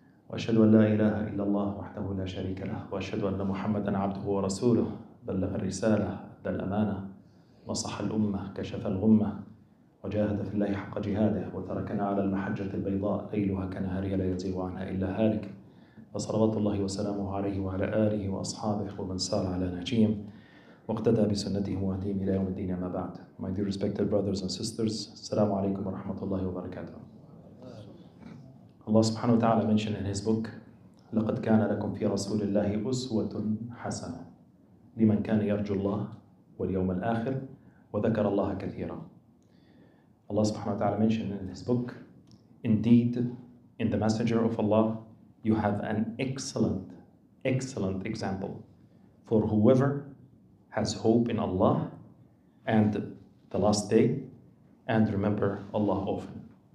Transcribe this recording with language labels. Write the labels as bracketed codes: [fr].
[ar] وأشهد أن لا إله إلا الله وحده لا شريك له وأشهد أن محمدا عبده ورسوله بلغ الرسالة أدى الأمانة نصح الأمة كشف الغمة وجاهد في الله حق جهاده وتركنا على المحجة البيضاء ليلها كنهارها لا يزيغ عنها إلا هالك وصلوات الله وسلامه عليه وعلى آله وأصحابه ومن سار على نهجهم واقتدى بسنته وهديهم إلى يوم الدين ما بعد. [en] My dear respected brothers and sisters, [ar] السلام عليكم ورحمة الله وبركاته. الله سبحانه وتعالى [en] mentioned in his book, [ar] لقد كان لكم في رسول الله أسوة حسنة لمن كان يرجو الله واليوم الآخر وذكر الله كثيرا. الله سبحانه وتعالى [en] mentioned in his book, indeed, in the messenger of Allah, you have an excellent, excellent example for whoever has hope in Allah and the last day and remember Allah often.